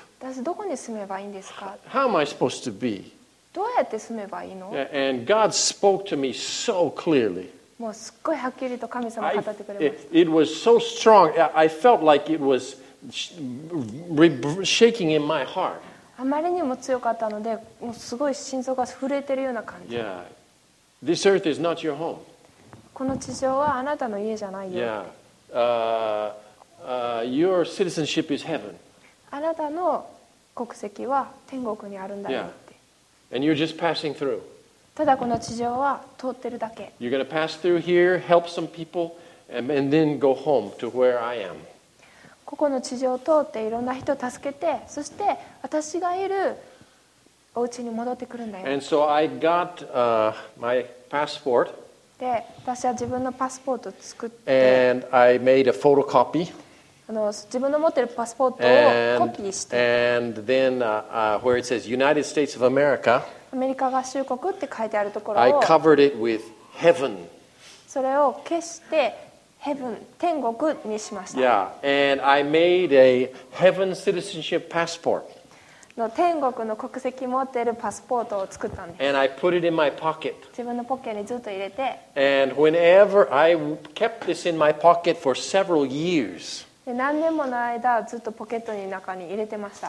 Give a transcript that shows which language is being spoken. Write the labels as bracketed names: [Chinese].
[Japanese] 私どこに住めばいいんですか? [English] How am I supposed to be? [Japanese] どうやって住めばいいの? [English] And God spoke to me so clearly. [Japanese] もうすっごいはっきりと神様語ってくれました。 [English] It was so strong. I felt like it was shaking in my heart. [Japanese] あまりにも強かったので、もうすごい心臓が震えてるような感じ。 [English] Yeah. This earth is not your home. [Japanese] この地上はあなたの家じゃないよ。 [English] Yeah. Your citizenship is heaven. [Japanese] あなたの国籍は天国にあるんだよって。 [English] Yeah. And you're just passing through. [Japanese] ただこの地上は通ってるだけ。 [English] You're going to pass through here, help some people, and then go home to where I am. [Japanese] ここの地上を通っていろんな人を助けて、そして私がいるお家に戻ってくるんだよ。 [English] And so I got my passport. [Japanese] で、私は自分のパスポートを作って、 [English] and I made a photocopy. [Japanese] 自分の持ってるパスポートをコピーして、 [English] and then where it says United States of America. [Japanese] アメリカ合衆国って書いてあるところを [English] I covered it with heaven. [Japanese] それを消して heaven 天国にしました。 [English] Yeah, and I made a heaven citizenship passport. [Japanese] の天国の国籍持ってるパスポートを作ったんです。 [English] And I put it in my pocket. [Japanese] 自分のポケにずっと入れて。 [English] And whenever I kept this in my pocket for several years. [Japanese] で何年もの間ずっとポケットの中に入れてました。